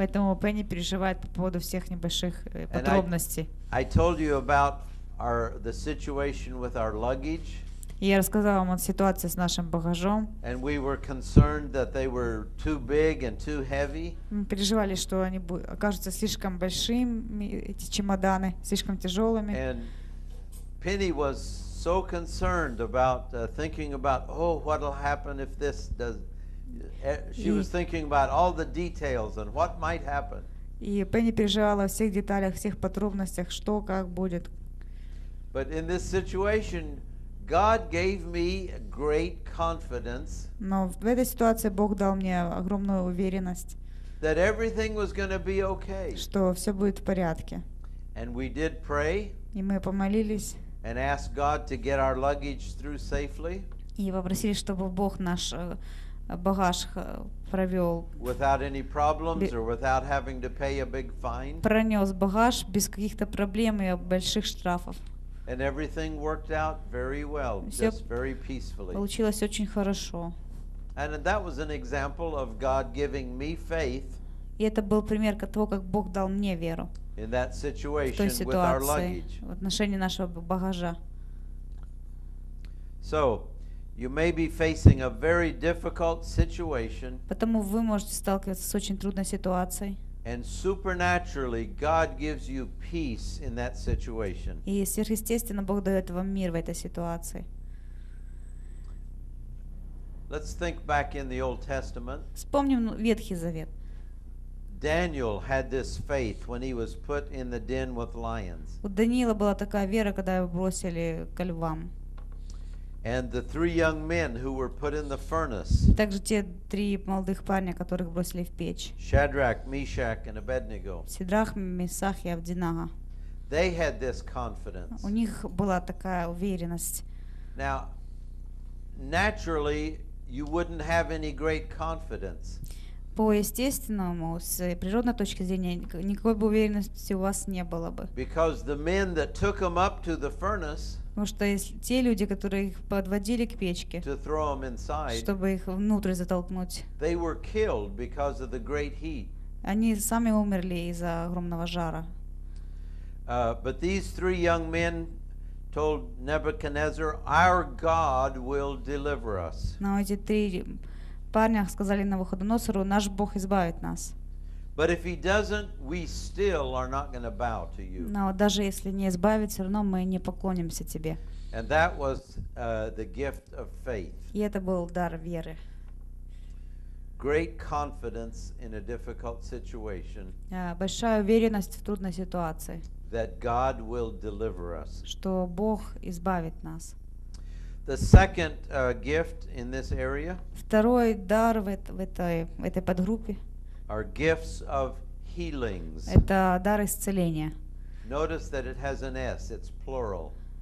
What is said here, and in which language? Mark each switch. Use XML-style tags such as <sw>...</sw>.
<ru>Поэтому Пенни переживает по поводу всех небольших подробностей.</ru> <en>I told you about the situation with our luggage.</en> <ru>Я рассказала вам о ситуации с нашим багажом.</ru> <en>And we were concerned that they were too big and too heavy.</en> <ru>Мы переживали, что они окажутся слишком большими, эти чемоданы, слишком тяжелыми.</ru> <en>And Penny was so concerned about thinking about, oh, what will happen if this does. She was thinking about all the details and what might happen.</en> <ru>И Пенни переживала о всех деталях, всех подробностях, что, как будет.</ru> <en>But in this situation, God gave me great confidence.</en> <ru>Но в этой ситуации Бог дал мне огромную уверенность.</ru> <en>That everything was going to be okay.</en> <ru>Что все будет в порядке.</ru> <en>And we did pray.</en> <ru>И мы помолились.</ru> <en>And asked God to get our luggage through safely.</en> <ru>И попросили, чтобы Бог наш багаж провел.</ru> <en>Without any problems or without having to pay a big fine.</en> <ru>Пронес багаж без каких-то проблем и больших штрафов.</ru> <en>And everything worked out very well, just very peacefully.</en> <ru>Получилось очень хорошо.</ru> <en>And that was an example of God giving me faith.</en> <ru>И это был пример того, как Бог дал мне веру.</ru> <en>In that situation with our luggage.</en> <ru>В отношении нашего багажа.</ru> <en>So, you may be facing a very difficult situation.</en> <ru>Поэтому вы можете сталкиваться с очень трудной ситуацией.</ru> <en>And supernaturally, God gives you peace in that situation.</en> <ru>И сверхъестественно Бог дает вам мир в этой ситуации.</ru> <en>Let's think back in the Old Testament.</en> <ru>Вспомним Ветхий Завет.</ru> <en>Daniel had this faith when he was put in the den with lions.</en> <ru>У Даниила была такая вера, когда его бросили ко львам.</ru> <en>And the three young men who were put in the furnace.</en> <ru>Также те три молодых парня, которых бросили в печь.</ru> <en>Shadrach, Meshach, and Abednego.</en> <ru>Сидрах, Месах и Авдинага.</ru> <en>They had this confidence.</en> <ru>У них была такая уверенность.</ru> <en>Now, naturally, you wouldn't have any great confidence.</en> <ru>По естественному, с природной точки зрения, никакой бы уверенности у вас не было бы.</ru> <en>Because the men that took them up to the furnace.</en> <ru>Потому что те люди, которые их подводили к печке,</ru> <en>inside,</en> <ru>чтобы их внутрь затолкнуть, они сами умерли из-за огромного жара.</ru> <en>But these three young men told Nebuchadnezzar, "Our God will deliver us."</en> <ru>Но эти три парня сказали Навуходоносору, наш Бог избавит нас.</ru> <en>But if he doesn't, we still are not going to bow to you.</en> <ru>Но даже если не избавит, все равно мы не поклонимся тебе.</ru> <en>And that was the gift of faith.</en> <ru>И это был дар веры.</ru> <en>Great confidence in a difficult situation.</en> <ru>Большая уверенность в трудной ситуации.</ru> <en>That God will deliver us.</en> <ru>Что Бог избавит нас.</ru> <en>The second gift in this area.</en> <ru>Второй дар в этой подгруппе.</ru> <en>Are gifts of healings.</en> <ru>Это дар исцеления.</ru> <en>Notice that it has an S, it's plural.</en>